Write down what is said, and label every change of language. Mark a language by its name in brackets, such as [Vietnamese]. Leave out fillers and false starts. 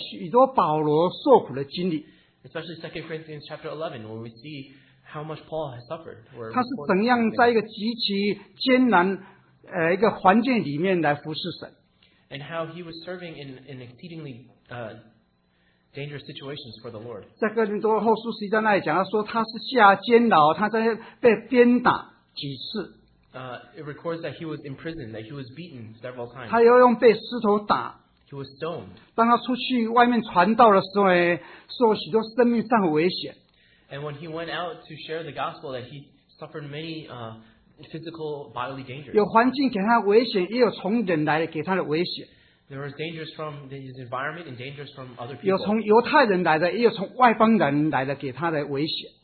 [Chinese] 特别到更多后书11章那里记载许多保罗受苦的经历。 [English] Especially 2 Corinthians chapter 11, where we see how much Paul has suffered. [Chinese] 他是怎样在一个极其艰难一个环境里面来服侍神。 [English] And how he was serving in an exceedingly dangerous situations for the Lord. [Chinese] 在哥林多后书11章那里讲到说，他是下监牢，他在被鞭打几次。 [English] It records that he was imprisoned, that he was beaten several times. [Chinese] 他要用被石头打。 [English] He was stoned. [Chinese] 当他出去外面传道的时候，受许多生命上的危险。 [English] And when he went out to share the gospel, that he suffered many physical bodily dangers. [Chinese] 有环境给他危险，也有从人来给他的危险。 [English] There was dangers from his environment and dangers from other people. [Chinese] 有从犹太人来的，也有从外邦人来的，给他的危险。